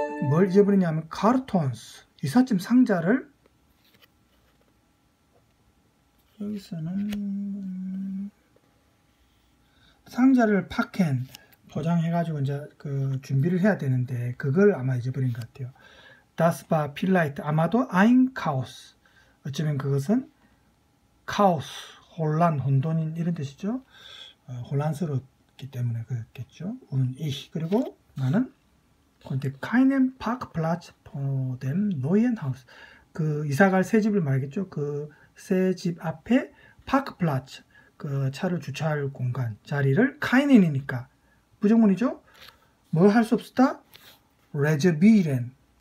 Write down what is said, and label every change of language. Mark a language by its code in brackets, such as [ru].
[ko] 뭘 잊어버리냐면 카르톤스, 이삿짐 상자를. 여기서는 상자를 파켄 포장해가지고 이제 그 준비를 해야 되는데 그걸 아마 잊어버린 것 같아요. [de] Das war vielleicht [ko] 아마도 [de] ein Chaos. [ko] 어쩌면 그것은 카오스, 혼란, 혼돈인 이런 뜻이죠. 혼란스럽기 때문에 그랬겠죠. [de] Und ich [ko] 그리고 나는 [de] konnte keinen Parkplatz vor dem neuen Haus. [ko] 그 이사 갈새 집을 말겠죠. 그새집 앞에 Parkplatz, 그 차를 주차할 공간 자리를 keinen이니까 부정문이죠. 뭘할수 없었다? Reservieren.